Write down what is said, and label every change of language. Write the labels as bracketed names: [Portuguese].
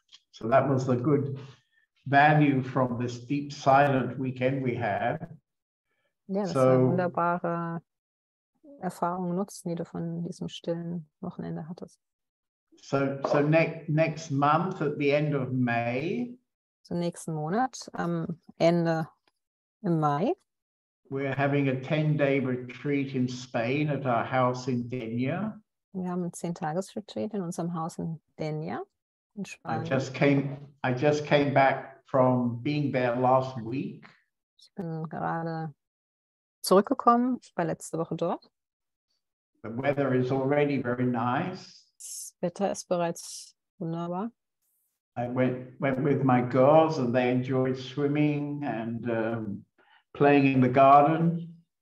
[English] So that was the good value from this deep silent weekend we had. [German] Ja, das war eine wunderbare Erfahrung nutzen, die du von diesem stillen Wochenende hattest. [English] So next month at the end of May. [German] So nächsten Monat am Ende im Mai. [English] We're having a 10-day retreat in Spain at our house in Denia. [German] Wir haben ein 10-Tages-Retreat in unserem Haus in Denia in Spanien. [English] I just came back from being there last week. [German] Ich bin gerade zurückgekommen. Ich war letzte Woche dort. [English] The weather is already very nice. [German] Das Wetter ist bereits wunderbar. [English] I went with my girls and they enjoyed swimming and playing in the garden.